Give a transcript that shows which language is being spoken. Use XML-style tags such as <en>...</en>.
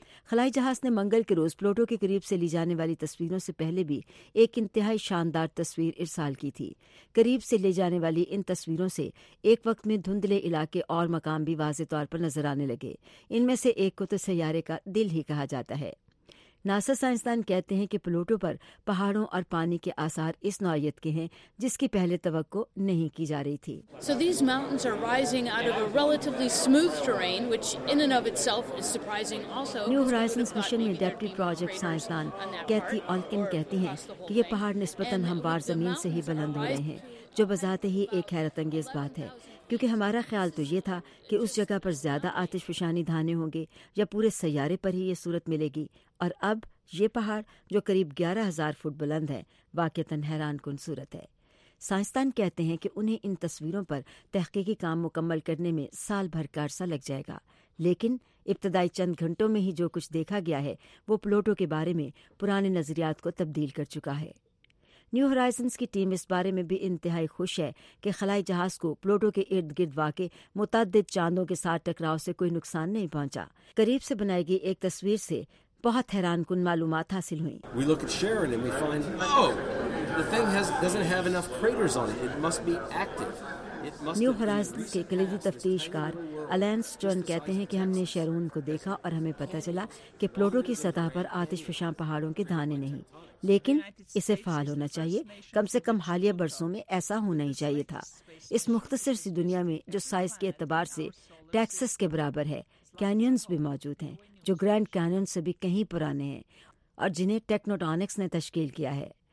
<ur>خلائی جہاز نے منگل کے روز پلوٹو کے قریب سے لی جانے والی تصویروں سے پہلے بھی ایک انتہائی شاندار تصویر ارسال کی تھی۔ قریب سے لے جانے والی ان تصویروں سے ایک وقت میں دھندلے علاقے اور مقام بھی واضح طور پر نظر آنے لگے۔ ان میں سے ایک کو تو سیارے کا دل ہی کہا جاتا ہے۔ ناسا سائنسدان کہتے ہیں کہ پلوٹو پر پہاڑوں اور پانی کے آثار اس نوعیت کے ہیں جس کی پہلے توقع نہیں کی جا رہی تھی۔</ur> <en>So these mountains are rising out of a relatively smooth terrain, which in and of itself is surprising also.</en> <ur>New horizons mission میں ڈیپٹی پروجیکٹ سائنسدان کیتھی آلکن کہتی ہیں کہ یہ پہاڑ نسبتاً ہموار زمین سے ہی بلند ہو رہے ہیں، جو بذات ہی ایک حیرت انگیز بات ہے، کیونکہ ہمارا خیال تو یہ تھا کہ اس جگہ پر زیادہ آتش فشانی دھانے ہوں گے یا پورے سیارے پر ہی یہ صورت ملے گی، اور اب یہ پہاڑ جو قریب 11,000 فٹ بلند ہے واقعتاً حیران کن صورت ہے۔ سائنسدان کہتے ہیں کہ انہیں ان تصویروں پر تحقیقی کام مکمل کرنے میں سال بھر کا عرصہ لگ جائے گا، لیکن ابتدائی چند گھنٹوں میں ہی جو کچھ دیکھا گیا ہے وہ پلوٹو کے بارے میں پرانے نظریات کو تبدیل کر چکا ہے۔ نیو ہورائزنز کی ٹیم اس بارے میں بھی انتہائی خوش ہے کہ خلائی جہاز کو پلوٹو کے ارد گرد واقع متعدد چاندوں کے ساتھ ٹکراؤ سے کوئی نقصان نہیں پہنچا۔ قریب سے بنائی گئی ایک تصویر سے بہت حیران کن معلومات حاصل ہوئیں۔</ur> <en>We look at Charon and we find, oh, the thing has, doesn't have enough craters on it. It must be active.</en> <ur>New horizons کے کلیدی تفتیش کار الین سٹرن کہتے ہیں کہ ہم نے شیرون کو دیکھا اور ہمیں پتہ چلا کہ پلوٹو کی سطح پر آتش فشاں پہاڑوں کے دھانے نہیں، لیکن اسے فعال ہونا چاہیے، کم سے کم حالیہ برسوں میں ایسا ہونا ہی چاہیے تھا۔ اس مختصر سی دنیا میں جو سائز کے اعتبار سے ٹیکسس کے برابر ہے، کینینز بھی موجود ہیں جو گرینڈ کینین سے بھی کہیں پرانے ہیں اور جنہیں ٹیکنوٹونکس نے تشکیل کیا ہے۔</ur>